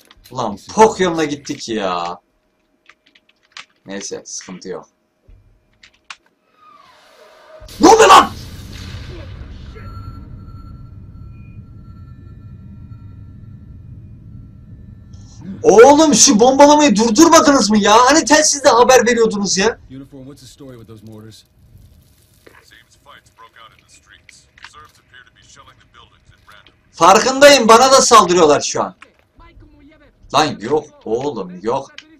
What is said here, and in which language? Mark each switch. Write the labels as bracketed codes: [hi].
[tr] Ulan Pokyon'la gittik ya. Neyse sıkıntı yok. Ne oluyor lan? Oğlum şu bombalamayı durdurmadınız mı ya? Hani telsizde haber veriyordunuz ya? [en] Uniform, what's the story with those mortars? Seems fights broke out in the streets. Serbs appear to be shelling the buildings at random. [tr] Farkındayım, bana da saldırıyorlar şu an. Lan yok oğlum yok.